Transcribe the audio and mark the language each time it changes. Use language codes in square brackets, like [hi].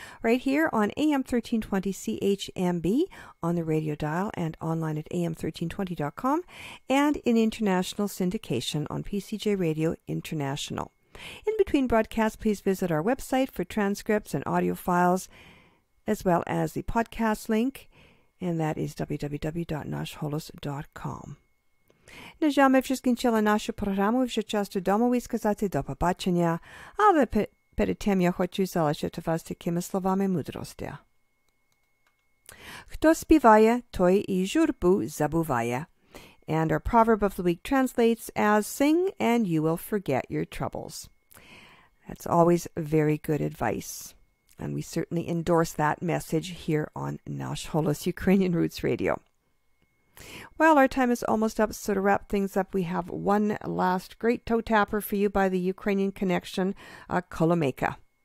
[en] right here on AM 1320 CHMB on the radio dial and online at am1320.com and in international syndication on PCJ Radio International. In between broadcasts, please visit our website for transcripts and audio files, as well as the podcast link, and that is www.nashholos.com. [uk] На жаль, ми вже скінчили нашу програму, вже час додому і сказати до побачення, але перед тим я хочу залишити вас такими словами мудрості. Хто співає, той і журбу забуває. [en] And our proverb of the week translates as, sing and you will forget your troubles. That's always very good advice. And we certainly endorse that message here on Nash Holos Ukrainian Roots Radio. Well, our time is almost up, so to wrap things up, we have one last great toe-tapper for you by the Ukrainian connection, Kolomeka.